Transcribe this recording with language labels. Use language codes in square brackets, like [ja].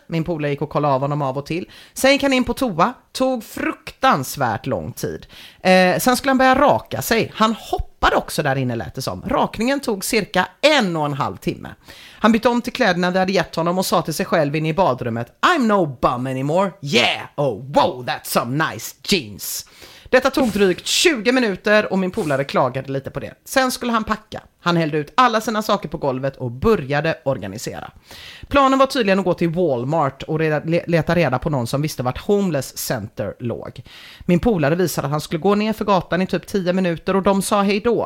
[sv] Min polare gick och kollade av honom av och till. Sen gick han in på toa. Tog fruktansvärt lång tid. Sen skulle han börja raka sig. Han hoppade också där inne, lät det som. Rakningen tog cirka 1,5 timme. Han bytte om till kläderna vi hade gett honom och sa till sig själv inne i badrummet: [en] I'm no bum anymore. Yeah, oh wow, that's some nice jeans. [sv] Detta tog drygt 20 minuter och min polare klagade lite på det. Sen skulle han packa. Han hällde ut alla sina saker på golvet och började organisera. Planen var tydligen att gå till Walmart och leta reda på någon som visste vart Homeless Center låg. Min polare visade att han skulle gå ner för gatan i typ 10 minuter och de sa hej då.